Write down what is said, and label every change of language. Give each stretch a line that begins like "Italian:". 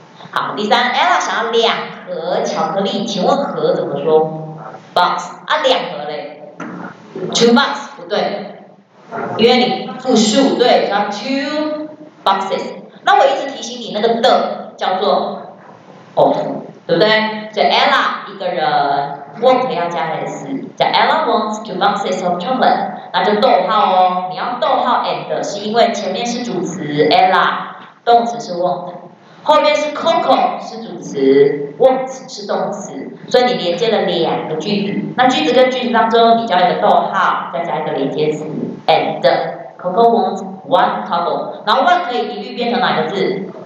Chinese: 好，第三 ，Ella 想要两盒巧克力，请问盒怎么说 ？box 啊，两盒嘞。
English: Two box
Chinese: 不对，因为你复数，对，叫
English: two boxes。
Chinese: 那我一直提醒你，那个的叫做 of， 对不对？所以 Ella 一个人 want 要加 s， 叫
English: Ella wants two boxes of chocolate，
Chinese: 那就逗号哦。你要逗号 and， 是因为前面是主词 Ella， 动词是 want， 后面是 Coco 是主词 ，want 是动词。所以你连接了两个句子，那句子跟句子当中，你加一个逗号，再加一个连接词 ，
English: and Coco wants one cup，
Chinese: 然后 one 可以一律变成哪个字？